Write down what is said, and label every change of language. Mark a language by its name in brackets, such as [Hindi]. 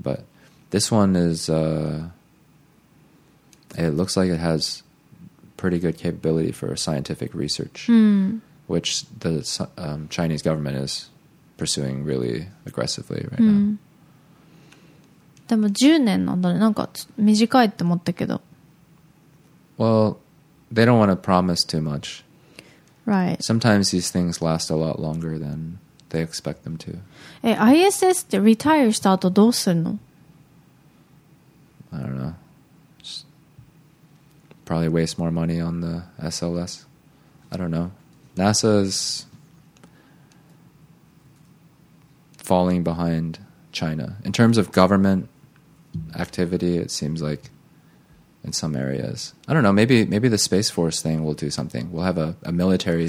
[English] But this one is, it looks like it has pretty good capability for scientific research, which the Chinese government is pursuing really aggressively right now. [Japanese] でも10年なんだね。なんか短いって思ったけど。 [English] Well, they don't want to promise too much. Right. Sometimes these things last a lot longer than they expect them to. [Japanese] え、ISS ってリタイアした後どうするの? [English] I don't know. Just probably waste more money on the SLS. I don't know. NASA's falling behind China. In terms of government,activity it seems like in some areas I don't know maybe the space force thing will do something we'll have a military